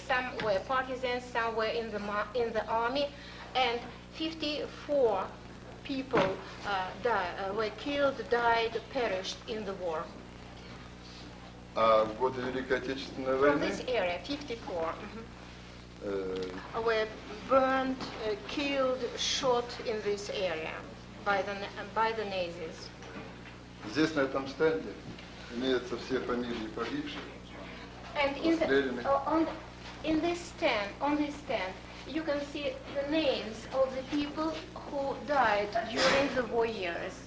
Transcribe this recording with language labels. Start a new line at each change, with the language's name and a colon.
English: Some were partisans, some were in the army, and 54 people were killed, died, perished in the war.
Russian: А в годы Великой Отечественной войны?
English: From this area, 54. Were burned, killed, shot in this area by the Nazis.
Russian: Здесь на этом стенде имеются все фамилии погибших.
English: And on this stand, you can see the names of the people who died during the war years.